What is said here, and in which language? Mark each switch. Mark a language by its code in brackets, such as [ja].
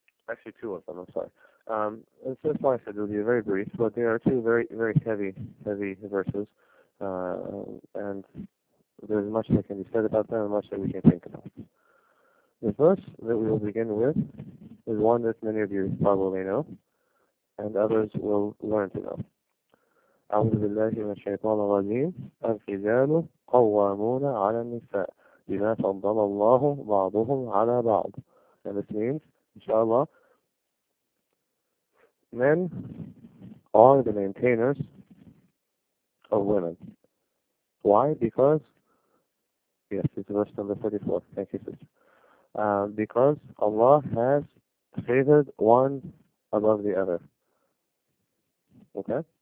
[en] Actually, two of them, I'm sorry. And so, as I said, it will be very brief, but there are two very, very heavy verses, and there's much that can be said about them and much that we can think about. The verse that we will begin with is one that many of you probably know, and others will learn to know. [ar] أعوذ بالله من الشيطان الرجيم الرجال قوامون على النساء بما فضل الله بعضهم على بعض. [en] And this means, inshallah, men are the maintainers of women. Why? Because, yes, it's verse number 34. Thank you, sister. Because Allah has favored one above the other. Okay?